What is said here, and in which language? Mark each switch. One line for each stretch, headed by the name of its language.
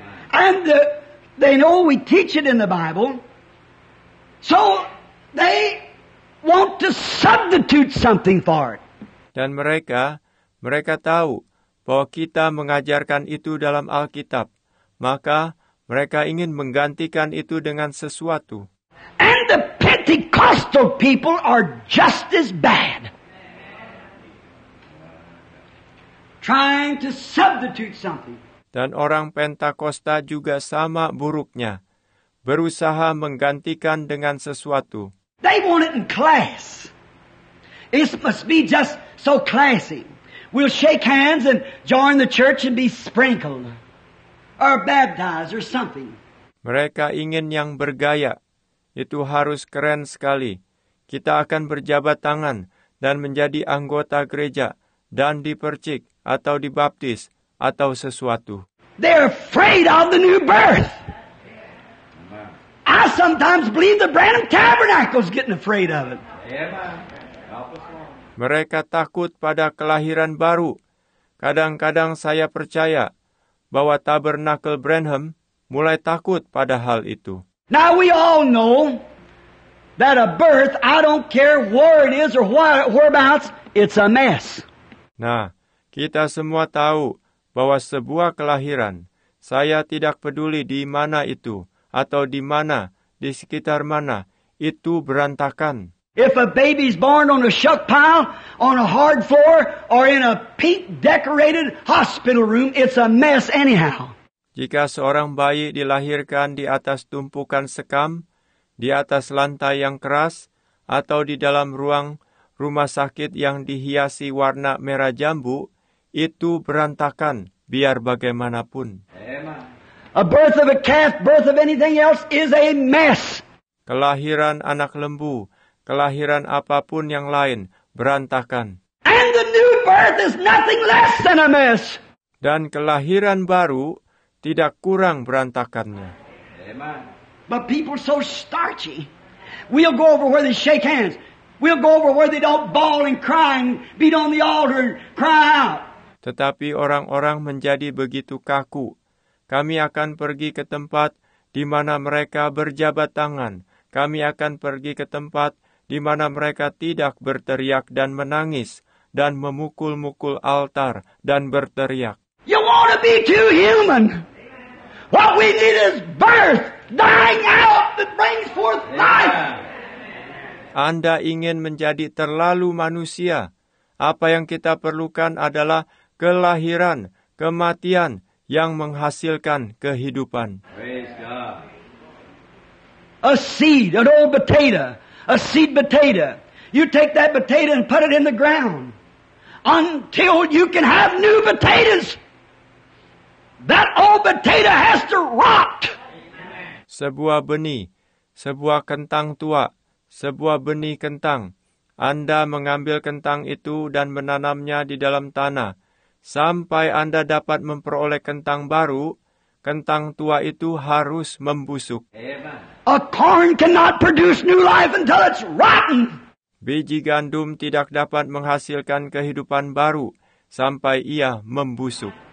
English: And they know we teach it in the Bible. So they want to substitute something for it.
Indonesian: Dan mereka tahu bahwa kita mengajarkan itu dalam Alkitab. Maka mereka ingin menggantikan itu dengan sesuatu.
English: And the Pentecostal people are just as bad. Trying to substitute something.
Indonesian: Dan orang Pentakosta juga sama buruknya. Berusaha menggantikan dengan sesuatu.
English: They want it in class. It must be just so classy. We'll shake hands and join the church and be sprinkled. Or baptized or something.
Indonesian: Mereka ingin yang bergaya. Itu harus keren sekali. Kita akan berjabat tangan dan menjadi anggota gereja. Dan dipercik atau dibaptis atau sesuatu.
English: They're afraid of the new birth. I sometimes believe the Branham Tabernacle's getting afraid of it.
Indonesian: Mereka takut pada kelahiran baru. Kadang-kadang saya percaya bahwa Tabernacle Branham mulai takut pada hal itu.
English: Now we all know that a birth, I don't care where it is or whereabouts, it's a mess.
Indonesian: Nah, kita semua tahu bahwa sebuah kelahiran, saya tidak peduli di mana itu atau di mana, di sekitar mana, itu berantakan.
English: If a baby's born on a shuck pile, on a hard floor, or in a pink decorated hospital room, it's a mess anyhow.
Indonesian: Jika seorang bayi dilahirkan di atas tumpukan sekam, di atas lantai yang keras, atau di dalam ruang rumah sakit yang dihiasi warna merah jambu, itu berantakan, biar bagaimanapun.
English: A birth of a calf, birth of anything else is a mess.
Indonesian: Kelahiran anak lembu, kelahiran apapun yang lain, berantakan.
English: And the new birth is nothing less than a mess.
Indonesian: Dan kelahiran baru tidak kurang berantakannya.
English: Amen. But people are so starchy. We'll go over where they shake hands. We'll go over where they don't bawl and cry and beat on the altar and cry out.
Indonesian: Tetapi orang-orang menjadi begitu kaku. Kami akan pergi ke tempat di mana mereka berjabat tangan. Kami akan pergi ke tempat di mana mereka tidak berteriak dan menangis dan memukul-mukul altar dan berteriak.
English: You want to be too human. What we need is birth, dying out that brings forth life.
Indonesian: Anda ingin menjadi terlalu manusia. Apa yang kita perlukan adalah kelahiran, kematian yang menghasilkan kehidupan.
English: Praise God. A seed, an old potato, a seed potato. You take that potato and put it in the ground until you can have new potatoes. That old potato has to rot.
Indonesian: Sebuah benih, sebuah kentang tua, sebuah benih kentang. Anda mengambil kentang itu dan menanamnya di dalam tanah. Sampai Anda dapat memperoleh kentang baru, kentang tua itu harus membusuk.
English: A corn cannot produce new life until it's rotten.
Indonesian: Biji gandum tidak dapat menghasilkan kehidupan baru sampai ia membusuk.